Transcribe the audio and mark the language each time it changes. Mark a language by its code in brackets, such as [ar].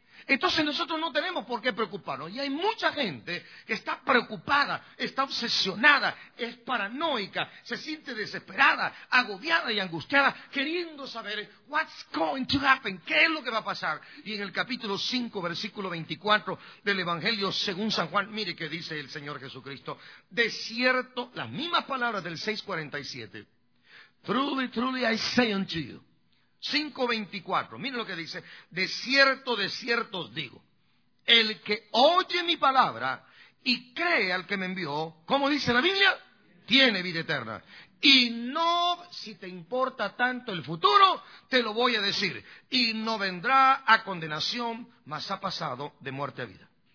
[es] Entonces nosotros no tenemos por qué preocuparnos. Y hay mucha gente que está preocupada, está obsesionada, es paranoica, se siente desesperada, agobiada y angustiada, queriendo saber [en] what's going to happen, [es] qué es lo que va a pasar. Y en el capítulo 5, versículo 24 del Evangelio según San Juan, mire qué dice el Señor Jesucristo. De cierto, las mismas palabras del 6:47. [en] Truly, truly, I say unto you. [es] 5:24, miren lo que dice, de cierto os digo, el que oye mi palabra y cree al que me envió, como dice la Biblia, tiene vida eterna. Y no, si te importa tanto el futuro, te lo voy a decir, y no vendrá a condenación, mas ha pasado de muerte a vida.